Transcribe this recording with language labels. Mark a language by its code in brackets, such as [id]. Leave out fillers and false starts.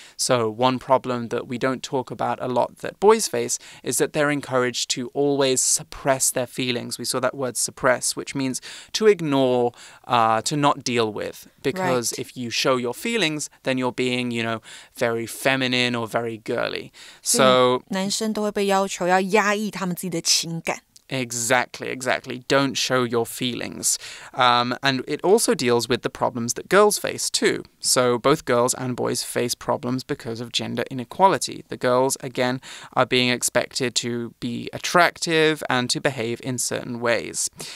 [en] So one problem that we don't talk about a lot that boys face is that they're encouraged to always suppress their feelings. We saw that word suppress, which means to ignore, to not deal with. Because right. if you show your feelings, then you're being, you know, very feminine or very girly. So [zh] 男生都会被要求要压抑他们自己的情感。 [en] Exactly, exactly. Don't show your feelings. And it also deals with the problems that girls face too. So both girls and boys face problems because of gender inequality. The girls, again, are being expected to be attractive and to behave in certain ways.